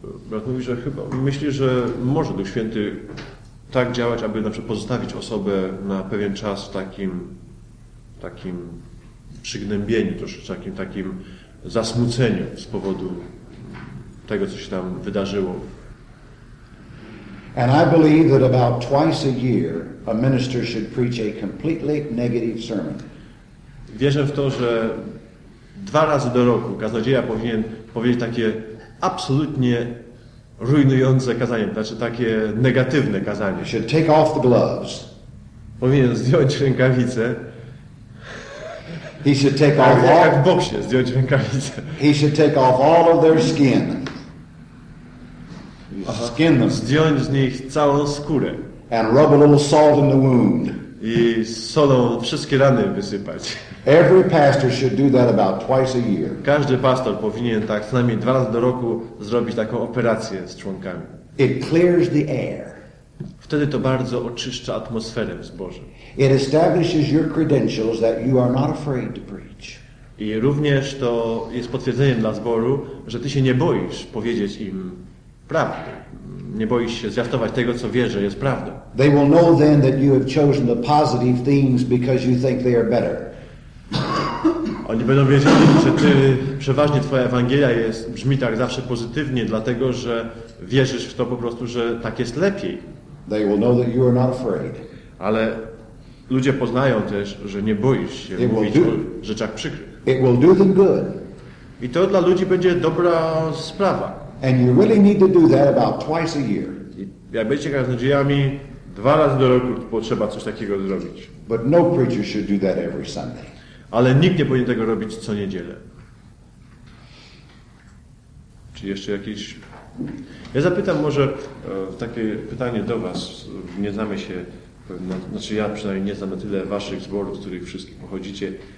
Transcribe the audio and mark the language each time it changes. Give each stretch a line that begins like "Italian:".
Polish: Brat mówi, że chyba myśli, że może Duch Święty tak działać, aby na przykład pozostawić osobę na pewien czas w takim przygnębieniu, troszkę takim zasmuceniu z powodu tego, co się tam wydarzyło.
English: And I believe that about twice a year a minister should preach a completely negative sermon.
Polish: Wierzę w to, że dwa razy do roku kaznodzieja powinien powiedzieć takie absolutnie rujnujące kazanie, znaczy takie negatywne kazanie.
English: Should take off the gloves.
Polish: Powinien zdjąć rękawice.
English: He should take off all.
Polish: Jak w boksie, zdjąć rękawice.
English: He should take off all of their skin. Skin them.
Polish: Zdjąć z nich całą skórę.
English: And rub a little salt in the wound.
Polish: I solą wszystkie rany wysypać.
English: Every pastor should do that about twice a year.
Polish: Każdy pastor powinien tak co najmniej dwa razy do roku zrobić taką operację z członkami.
English: It clears the air.
Polish: Wtedy to bardzo oczyszcza atmosferę w zborze.
English: It establishes your credentials that you are not afraid to preach.
Polish: I również to jest potwierdzeniem dla zboru, że ty się nie boisz powiedzieć im prawdy. Nie boisz się zwiastować tego, co wiesz, że jest prawdą.
English: They will know then that you have chosen the positive things because you think they are better.
Polish: Oni będą wiedzieli, że ty, przeważnie twoja Ewangelia jest, brzmi tak zawsze pozytywnie, dlatego że wierzysz w to po prostu, że tak jest lepiej.
English: They will know that you are not afraid.
Polish: Ale ludzie poznają też, że nie boisz się
English: it
Polish: mówić
English: do,
Polish: o rzeczach przykrych.
English: It will do them good.
Polish: I to dla ludzi będzie dobra sprawa.
English: And you really need to do that about twice a year.
Polish: Jak będziecie kaznodziejami, dwa razy do roku potrzeba coś takiego zrobić.
English: But no preacher should do that every Sunday.
Polish: Ale nikt nie powinien tego robić co niedzielę. Czy jeszcze jakieś... Ja zapytam może takie pytanie do was. Nie znamy się, znaczy ja przynajmniej nie znam na tyle waszych zborów, z których wszystkich pochodzicie.